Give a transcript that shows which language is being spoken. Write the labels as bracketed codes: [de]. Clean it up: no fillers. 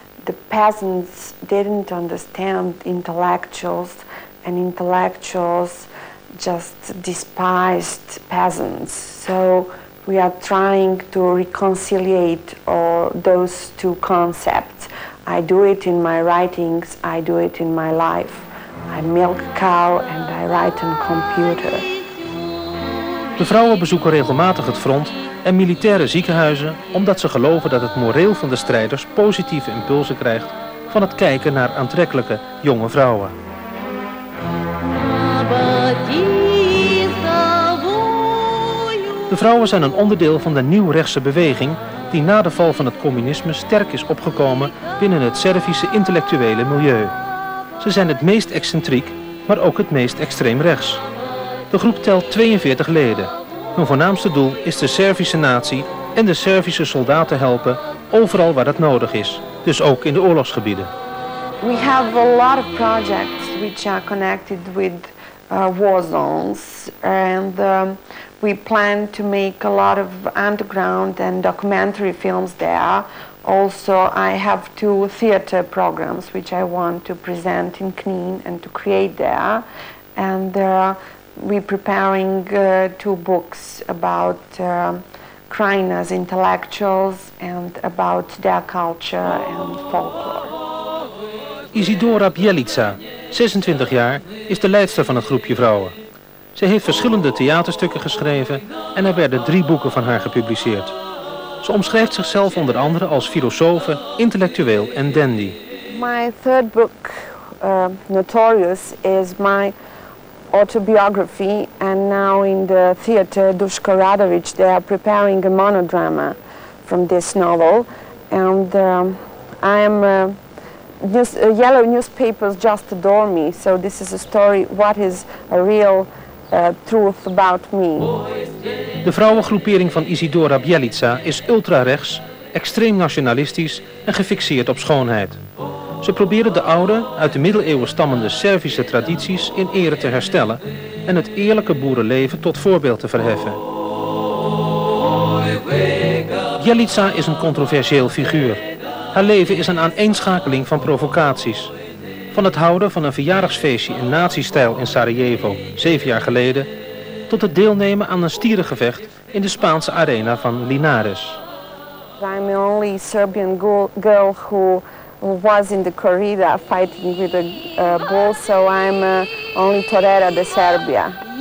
[en] The peasants didn't understand intellectuals, and intellectuals just despised peasants. So we are trying to reconciliate all those two concepts. I do it in my writings, I do it in my life. I milk cow and I write on computer. [nl] De vrouwen bezoeken regelmatig het front en militaire ziekenhuizen omdat ze geloven dat het moreel van de strijders positieve impulsen krijgt van het kijken naar aantrekkelijke jonge vrouwen. De vrouwen zijn een onderdeel van de nieuw-rechtse beweging die na de val van het communisme sterk is opgekomen binnen het Servische intellectuele milieu. Ze zijn het meest excentriek, maar ook het meest extreem rechts. De groep telt 42 leden. Hun voornaamste doel is de Servische natie en de Servische soldaten helpen overal waar dat nodig is, dus ook in de oorlogsgebieden. [en] We have a lot of projects which are connected with war zones, and We plan to make a lot of underground and documentary films there. Also, I have two theater programs which I want to present in Knin and to create there. And we're preparing two books about Krajina's intellectuals and about their culture and folklore. [nl] Isidora Bjelica, 26 jaar, is de leidster van het groepje vrouwen. Ze heeft verschillende theaterstukken geschreven en er werden 3 boeken van haar gepubliceerd. Ze omschrijft zichzelf onder andere als filosoof, intellectueel en dandy. [en] My third book, Notorious, is my autobiography. And now in the theater Duško Radović, they are preparing a monodrama from this novel. And I am yellow newspapers just adore me. So this is a story, what is a real truth about me. [nl] De vrouwengroepering van Isidora Bjelica is ultra-rechts, extreem nationalistisch en gefixeerd op schoonheid. Ze proberen de oude, uit de middeleeuwen stammende Servische tradities in ere te herstellen en het eerlijke boerenleven tot voorbeeld te verheffen. Bjelica is een controversieel figuur. Haar leven is een aaneenschakeling van provocaties. Van het houden van een verjaardagsfeestje in nazistijl in Sarajevo, 7 jaar geleden, tot het deelnemen aan een stierengevecht in de Spaanse arena van Linares. [en] I'm the only Serbian girl who was in the corrida fighting with a bull, so I'm only Torera de Serbia.